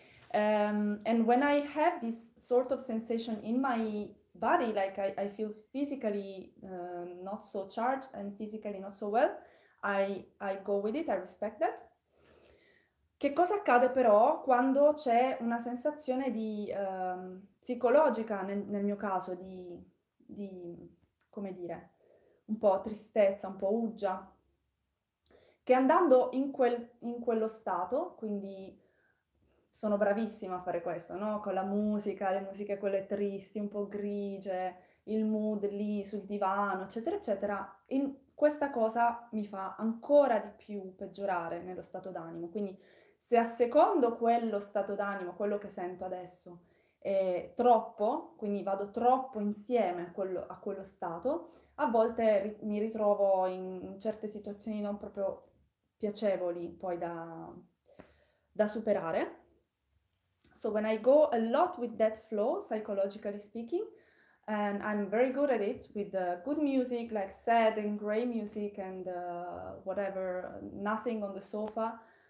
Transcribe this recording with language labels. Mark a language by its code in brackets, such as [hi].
[en] And when I have this sort of sensation in my body, like I feel physically not so charged and physically not so well, I go with it, I respect that. [it] Che cosa accade però quando c'è una sensazione di psicologica nel mio caso, di come dire, un po' tristezza, un po' uggia, che andando in quello stato, quindi sono bravissima a fare questo, no? Con la musica, le musiche quelle tristi, un po' grigie, il mood lì sul divano, eccetera, eccetera. In questa cosa mi fa ancora di più peggiorare nello stato d'animo. Quindi, se assecondo quello stato d'animo, quello che sento adesso, è troppo, quindi vado troppo insieme a quello stato, a volte mi ritrovo in certe situazioni non proprio piacevoli poi da superare. [en] So when I go a lot with that flow, psychologically speaking, and I'm very good at it with good music, like sad and grey music and whatever, nothing on the sofa,